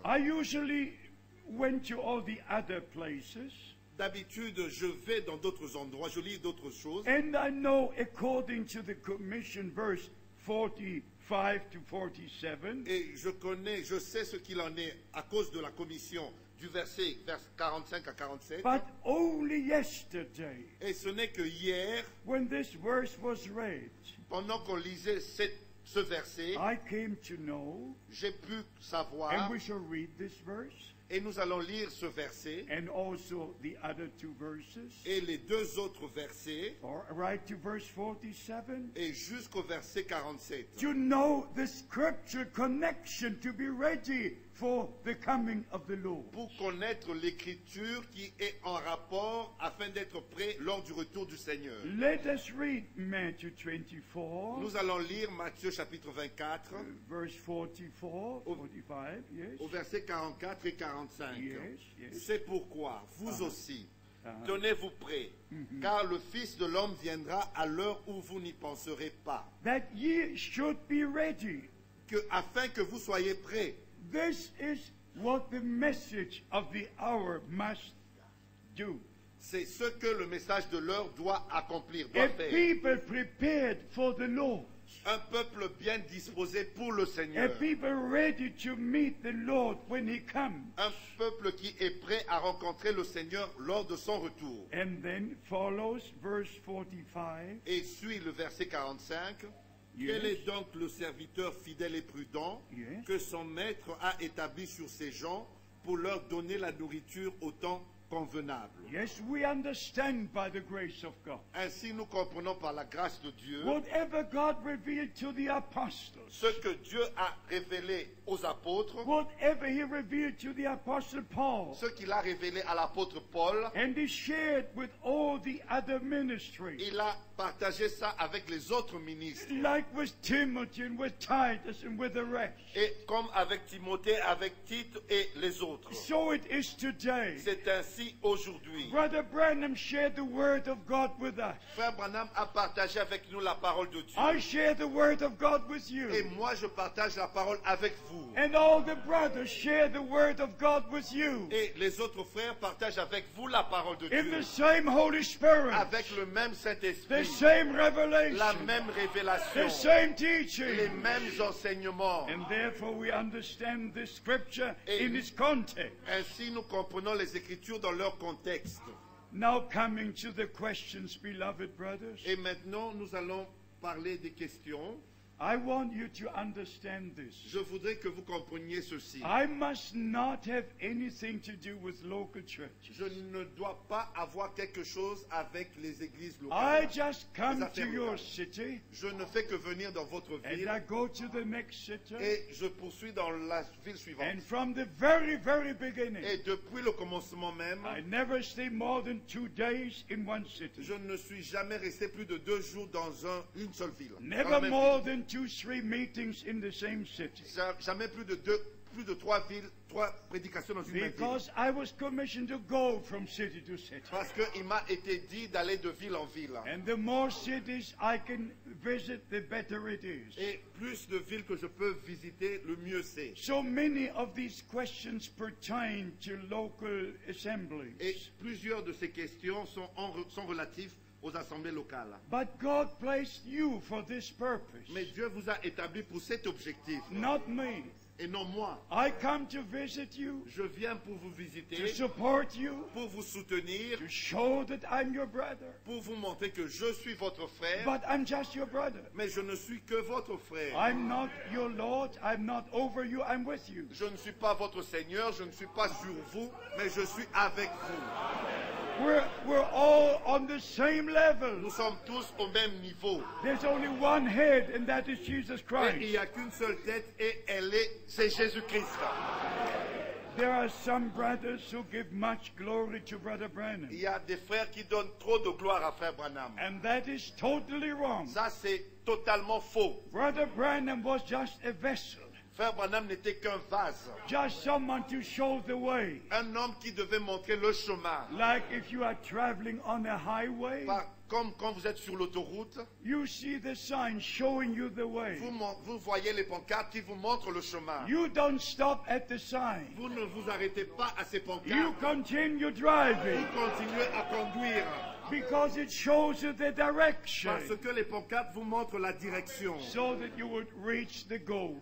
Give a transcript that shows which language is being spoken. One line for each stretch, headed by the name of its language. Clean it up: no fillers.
English: I usually went to all the other places.
French: D'habitude, je vais dans d'autres endroits, je lis d'autres choses.
English: And I know, according to the commission, verse 45 to 47.
French: Et je connais, je sais ce qu'il en est à cause de la commission du vers 45 à 47.
English: But only yesterday.
French: Et ce n'est que hier.
English: When this verse was read.
French: Pendant qu'on lisait ce verset.
English: I came to know.
French: J'ai pu savoir.
English: And we shall read this verse.
French: Et nous allons lire ce verset.
English: And also the other two verses.
French: Et les deux autres versets.
English: Or right to verse 47.
French: Et jusqu'au verset 47.
English: To know the scripture connection to be ready for the coming of the Lord.
French: Pour connaître l'écriture qui est en rapport afin d'être prêt lors du retour du Seigneur.
English: Let us read Matthew 24.
French: Nous allons lire Matthieu chapitre 24.
English: Verse 45. Yes.
French: Au verset 44 et 45.
English: Yes, yes.
French: C'est pourquoi vous aussi, tenez-vous prêts, car le Fils de l'homme viendra à l'heure où vous n'y penserez pas.
English: That ye should be ready.
French: Afin que vous soyez prêts.
English: This is what the message of the hour must do.
French: C'est ce que le message de l'heure doit accomplir.
English: A people prepared for the Lord.
French: Un peuple bien disposé pour le Seigneur.
English: A people ready to meet the Lord when he comes.
French: Un peuple qui est prêt à rencontrer le Seigneur lors de son retour.
English: And then follows verse 45.
French: Et suit le verset 45.
English: Yes.
French: Quel est donc le serviteur fidèle et prudent,
English: yes,
French: que son maître a établi sur ses gens pour leur donner la nourriture au temps convenable.
English: Yes, we understand by the grace of God.
French: Ainsi, nous comprenons par la grâce de Dieu.
English: Whatever God revealed to the apostles.
French: ce que Dieu a révélé aux apôtres,
English: whatever he revealed to the apostle Paul,
French: ce qu'il a révélé à l'apôtre Paul,
English: and he shared with all the other ministries,
French: il a partagé ça avec les autres ministres,
English: like with Timothy and with Titus and with the rest,
French: et comme avec Timothée, avec Tite et les autres.
English: So it is today.
French: C'est ainsi aujourd'hui.
English: Brother Branham shared the word of God with us.
French: Frère Branham a partagé avec nous la parole de Dieu.
English: I share the word of God with you.
French: Et moi je partage la parole avec vous.
English: And all the brothers share the word of God with you.
French: Et les autres frères partagent avec vous la parole de
English: In
French: Dieu.
English: In the same Holy Spirit.
French: Avec le même Saint-Esprit.
English: The same revelation.
French: La même révélation.
English: The same teaching.
French: Les mêmes enseignements.
English: And therefore we understand this scripture in its context.
French: Ainsi nous comprenons les écritures dans leur contexte.
English: Now coming to the questions, beloved brothers.
French: Et maintenant nous allons parler des questions.
English: I want you to understand this.
French: Je voudrais que vous compreniez ceci.
English: I must not have anything to do with local churches.
French: Je ne dois pas avoir quelque chose avec les églises locales.
English: I just come to your city.
French: Je ne fais que venir dans votre ville.
English: And I go to the next city.
French: Et je poursuis dans la ville suivante.
English: And from the very, very beginning.
French: Et depuis le commencement même.
English: I never stay more than 2 days in one city.
French: Je ne suis jamais resté plus de 2 jours dans une seule ville.
English: Never more than 2-3 meetings in the same city.
French: Jamais plus de trois villes, trois prédications dans une même ville.
English: Because I was commissioned to go from city to city.
French: Parce que il m'a été dit d'aller de ville en ville.
English: And the more cities I can visit, the better it is.
French: Et plus de villes que je peux visiter, le mieux c'est.
English: So many of these questions pertain to local assemblies.
French: Et plusieurs de ces questions sont relatives aux assemblées locales.
English: But God placed you for this purpose.
French: Mais Dieu vous a établi pour cet objectif.
English: Not me.
French: Et non moi.
English: I come to visit you.
French: Je viens pour vous visiter.
English: To support you.
French: Pour vous soutenir.
English: To show that I'm your brother.
French: Pour vous montrer que je suis votre frère.
English: But I'm just your brother.
French: Mais je ne suis que votre frère.
English: I'm not your Lord. I'm not over you. I'm with you.
French: Je ne suis pas votre Seigneur. Je ne suis pas sur vous. Mais je suis avec vous.
English: We're all on the same level.
French: Nous sommes tous au même niveau.
English: There's only one head, and that is Jesus Christ.
French: Et il n'y a qu'une seule tête, et elle est c'est Jésus Christ.
English: There are some brothers who give much glory to Brother Branham.
French: Il y a des frères qui donnent trop de gloire à Frère Branham.
English: And that is totally wrong.
French: Ça c'est totalement faux.
English: Brother Branham was just a vessel.
French: Frère Branham n'était qu'un vase.
English: Just someone to show the way.
French: Un homme qui devait montrer le chemin.
English: Like if you are traveling on a highway.
French: Comme quand vous êtes sur l'autoroute.
English: You see the sign showing you the way.
French: Vous voyez les pancartes qui vous montrent le chemin.
English: You don't stop at the sign.
French: Vous ne vous arrêtez pas à ces pancartes.
English: You continue driving.
French: Vous continuez à conduire.
English: Because it shows you the direction.
French: Parce que les pancartes vous montrent la direction.
English: So that you would reach the goal.